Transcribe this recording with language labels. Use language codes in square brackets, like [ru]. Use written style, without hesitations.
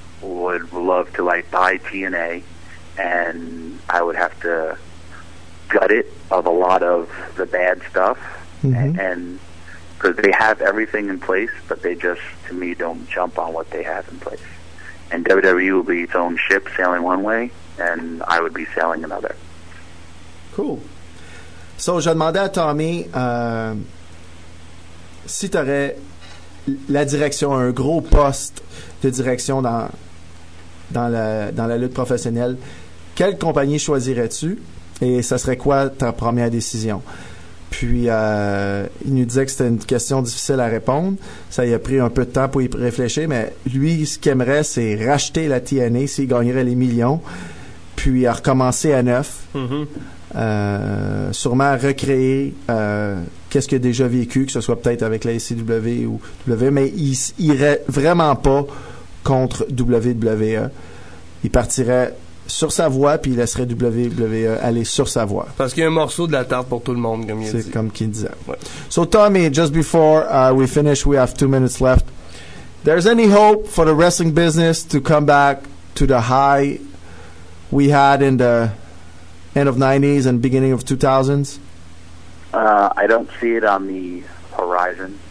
[en] would love to, like, buy TNA, and I would have to gut it of a lot of the bad stuff, mm-hmm. and because they have everything in place, but they just, to me, don't jump on what they have in place. And WWE will be its own ship sailing one way, and I would be sailing another. Cool. [fr] So, je demandais à Tommy, si t'aurais la direction, un gros poste de direction dans la lutte professionnelle, quelle compagnie choisirais-tu et ça serait quoi ta première décision? Puis il nous disait que c'était une question difficile à répondre, ça y a pris un peu de temps pour y réfléchir, mais lui, ce qu'il aimerait, c'est racheter la TNA s'il gagnerait les millions, puis à recommencer à neuf, mm-hmm. Sûrement à recréer qu'est-ce qu'il a déjà vécu, que ce soit peut-être avec la ICW ou W, mais il irait vraiment pas contre WWE. Il partirait sur sa voie, puis il laisserait WWE aller sur sa voie. Parce qu'il y a un morceau de la tarte pour tout le monde, comme il dit. [en] C'est comme qu'il disait. So, Tommy, just before we finish, we have 2 minutes left. There's any hope for the wrestling business to come back to the high we had in the end of 90s and beginning of 2000s? I don't see it on the horizon.